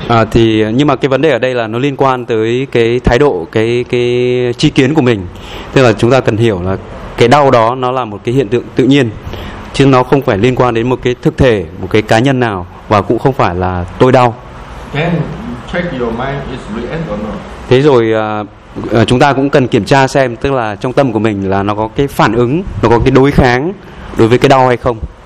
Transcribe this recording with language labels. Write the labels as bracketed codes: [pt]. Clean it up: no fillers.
[vi] Thì nhưng mà cái vấn đề ở đây là nó liên quan tới cái thái độ, cái chi kiến của mình. Tức là chúng ta cần hiểu là cái đau đó nó là một cái hiện tượng tự nhiên, chứ nó không phải liên quan đến một cái thực thể, một cái cá nhân nào, và cũng không phải là tôi đau. [en] Then check your mind is react or not. [vi] Thế rồi chúng ta cũng cần kiểm tra xem, tức là trong tâm của mình là nó có cái phản ứng, nó có cái đối kháng đối với cái đau hay không.